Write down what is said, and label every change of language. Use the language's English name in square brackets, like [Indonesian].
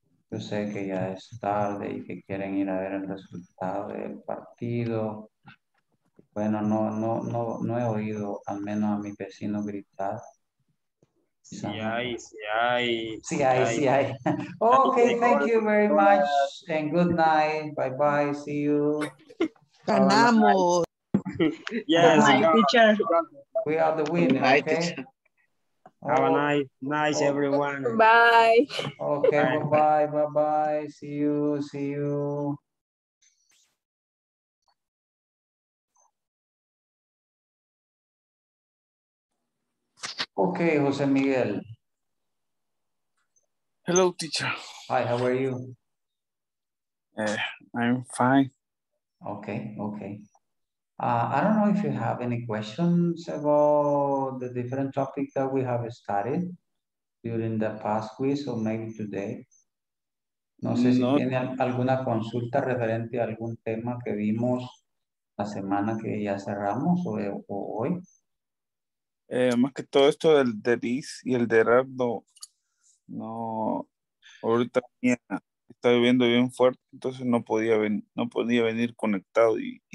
[Spanish] Yo sé que ya es tarde y que quieren ir a ver el resultado del partido. Bueno, no he oído al menos a mi vecino gritar. Sí hay. [English] Okay, thank you very much and good night. Bye bye. See you. [Spanish] Ganamos. [English] Yes. Teacher. We are the winner. Okay. Have a nice everyone. Bye. Okay. Bye. Bye. See you. Okay, Jose Miguel. Hello, teacher. Hi, how are you? I'm fine. Okay. I don't know if you have any questions about the different topic that we have studied during the past quiz or maybe today. [Spanish] No sé si tiene alguna consulta referente a algún tema que vimos la semana que ya cerramos o hoy. Más que todo esto del is y el de rap, no, ahorita estaba viviendo bien fuerte, entonces no podía venir conectado y